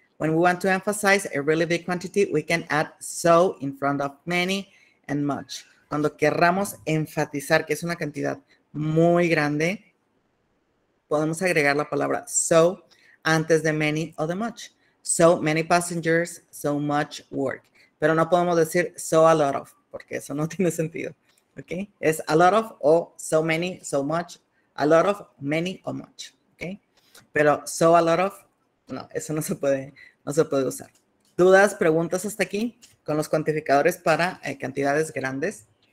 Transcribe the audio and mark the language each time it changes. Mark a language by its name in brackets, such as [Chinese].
[English] When we want to emphasize a really big quantity, we can add so in front of many and much. [Spanish] Cuando querramos enfatizar que es una cantidad muy grande, podemos agregar la palabra so antes de many o de much. [English] So many passengers, so much work. [Spanish] Pero no podemos decir [English] so a lot of, [Spanish] porque eso no tiene sentido. [English] ¿Okay? Es a lot of o so many, so much, a lot of, many o much. ¿Okay? [Spanish] Pero [English] so a lot of, [Spanish] no, eso no se puede usar. ¿Dudas, preguntas hasta aquí con los cuantificadores para cantidades grandes?